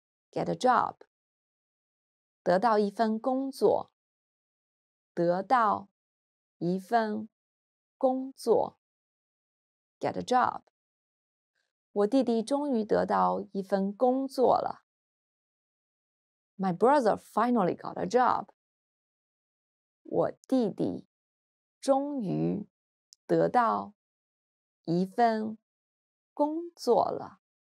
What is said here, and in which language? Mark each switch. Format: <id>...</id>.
<en>Get a job.</en> <zh>得到一份工作，得到一份工作</zh> <en>，get a job。</en> <zh>我弟弟终于得到一份工作了。</zh> <en>My brother finally got a job。</en> <zh>我弟弟终于得到一份工作了。</zh>